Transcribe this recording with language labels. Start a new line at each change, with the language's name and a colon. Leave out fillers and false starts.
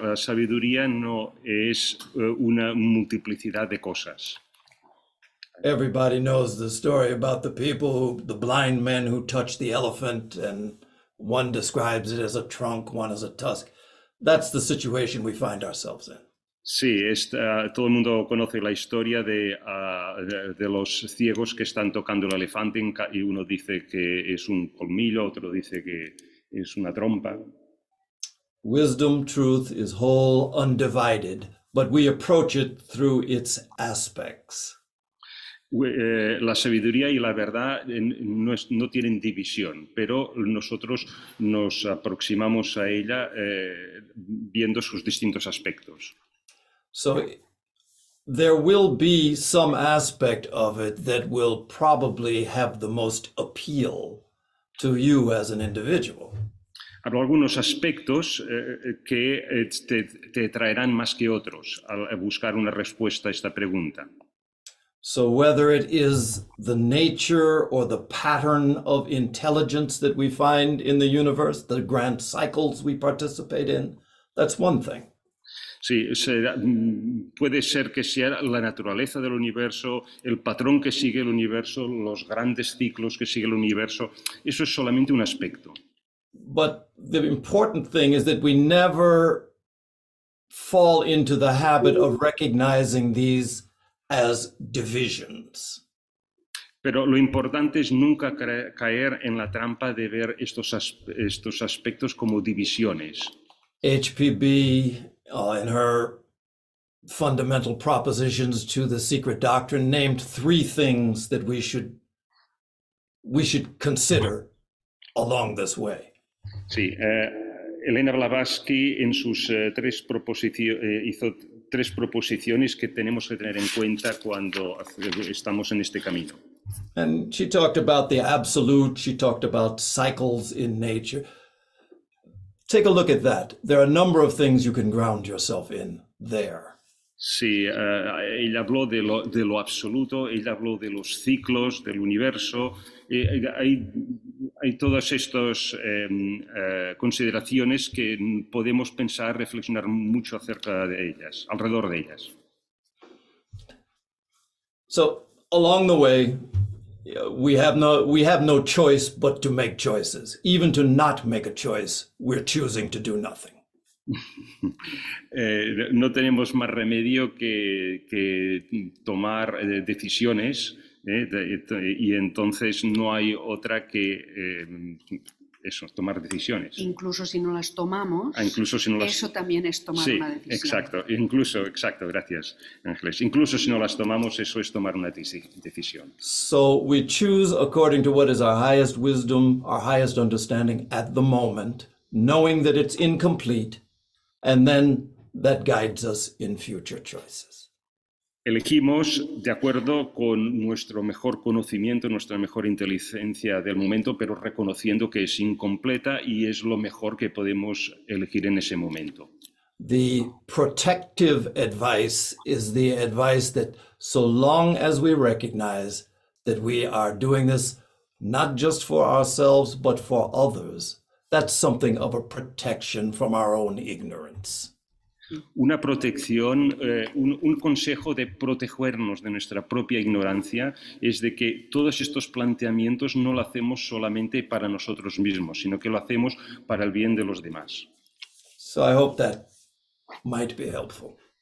Spanish: La sabiduría no es una multiplicidad de cosas.
English: Everybody knows the story about the people, the blind men who touched the elephant, and one describes it as a trunk, one as a tusk. That's the situation we find ourselves in.
Spanish: Sí, todo el mundo conoce la historia de los ciegos que están tocando el elefante y uno dice que es un colmillo, otro dice que es una trompa.
English: Wisdom, truth is whole, undivided, but we approach it through its aspects.
Spanish: La sabiduría y la verdad no tienen división, pero nosotros nos aproximamos a ella viendo sus distintos aspectos.
English: So there will be some aspect of it that will probably have the most appeal to you as an individual.
Spanish: Habrá algunos aspectos que te traerán más que otros al buscar una respuesta a esta pregunta.
English: So whether it is the nature or the pattern of intelligence that we find in the universe, the grand cycles we participate in, that's one thing.
Spanish: Sí, puede ser que sea la naturaleza del universo, el patrón que sigue el universo, los grandes ciclos que sigue el universo. Eso es solamente un aspecto.
English: But the important thing is that we never fall into the habit of recognizing these as divisions.
Spanish: Pero lo importante es nunca caer en la trampa de ver estos aspectos como divisiones.
English: HPB, in her fundamental propositions to the secret doctrine, named three things that we should consider along this way.
Spanish: Sí, Elena Blavatsky en sus tres proposiciones hizo tres proposiciones que tenemos que tener en cuenta cuando estamos en este camino.
English: And she talked about the absolute, she talked about cycles in nature. Take a look at that. There are a number of things you can ground yourself in there.
Spanish: Sí, ella habló de lo absoluto, ella habló de los ciclos, del universo. Hay todas estas consideraciones que podemos pensar, reflexionar mucho acerca de ellas, alrededor de ellas.
English: So, along the way, we have no choice but to make choices. Even to not make a choice, we're choosing to do nothing.
Spanish: No tenemos más remedio que tomar decisiones, y entonces no hay otra que eso, tomar decisiones. Incluso si no las tomamos, eso también es tomar sí, una decisión. Exacto, gracias, Ángeles. Incluso si no las tomamos, eso es tomar una decisión.
English: So we choose according to what is our highest wisdom, our highest understanding at the moment, knowing that it's incomplete. And then that guides us in future choices.
Spanish: Elegimos de acuerdo con nuestro mejor conocimiento, nuestra mejor inteligencia del momento, pero reconociendo que es incompleta y es lo mejor que podemos elegir en ese momento.
English: The protective advice is the advice that so long as we recognize that we are doing this not just for ourselves but for others, that's something of a protection from our own ignorance.
Spanish: Una protección, un consejo de protegernos de nuestra propia ignorancia es de que todos estos planteamientos no lo hacemos solamente para nosotros mismos, sino que lo hacemos para el bien de los demás.
English: So I hope that might be helpful.